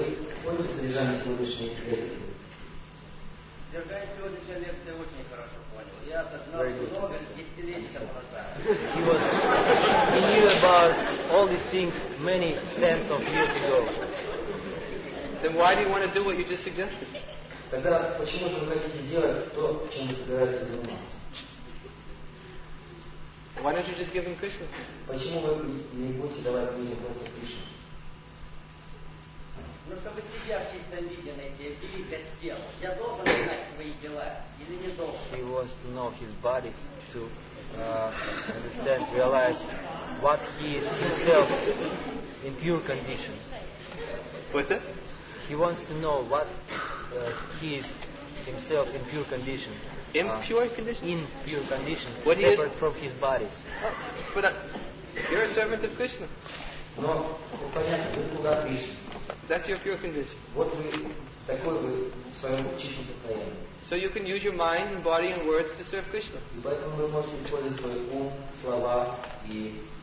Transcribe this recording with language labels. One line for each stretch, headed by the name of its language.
English: He knew about all these things many tens of years ago. Then why do you want to do what you just suggested?
Russian: Тогда почему же вы хотите делать то, чем вы собираетесь заниматься?
English: Why don't you just give him Krishna?
Russian: Почему вы не будете давать людям просто Кришну? Ну, чтобы себя в чистом виде найти, великое дело. Я должен знать свои дела или не должен?
English: He wants to know his body to understand, realize what he is himself in pure condition. What? He wants to know what he is himself in pure condition. In pure condition? In pure condition. What separate he is? From his body. Oh, but you're a servant of Krishna. No, you understand, you're Krishna. That's your pure condition. What we, like what we, so in your Krishna state. So you can use your mind and body and words to serve Krishna.
Russian: Поэтому вы можете использовать свой ум, слова и